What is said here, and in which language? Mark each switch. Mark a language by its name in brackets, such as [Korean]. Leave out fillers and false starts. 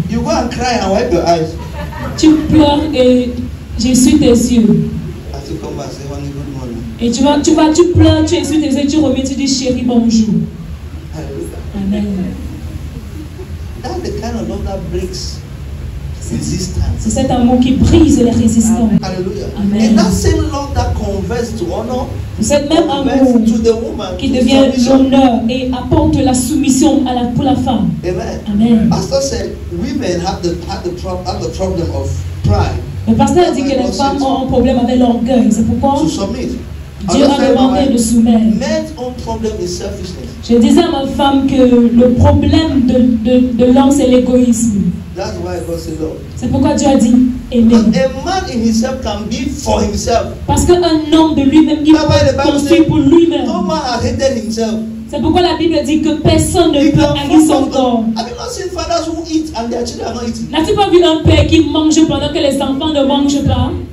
[English] You go and cry and wipe your eyes. [French] Tu pleures et j'essuie tes yeux. [English] As you come back, say, honey, good morning. [French] Et tu vas, tu pleures, tu essuies tes yeux, tu reviens, tu dis chérie, bonjour. Amen. [English] That's the kind of love that breaks resistance. [French] C'est cet amour qui brise les résistances. Amen. [English] And that same love that converts to honor. [French] C'est même amour [English] to the woman, [French] qui devient l'honneur et apporte la soumission à la, pour la femme. Amen. [English] Pastor said, women have the problem of pride. [French] Le pasteur a dit que les femmes ont un problème avec l'orgueil. C'est pourquoi Dieu m'a demandé de soumettre. [English] Men's own problem is selfishness. [French] Je disais à ma femme que le problème de l'homme, c'est l'égoïsme. [English] That's why God said love. [French] C'est pourquoi Dieu a dit [English] a man in himself can be for himself. [French] Parce qu'un homme de lui-même, il peut construire pour lui-même. [English] No man has hated himself. [French] C'est pourquoi la Bible dit que personne ne peut haïr son corps. [English] Have you not seen fathers who eat and their children are not eating? [French] N'as-tu pas vu un père qui mange pendant que les enfants ne mangent pas?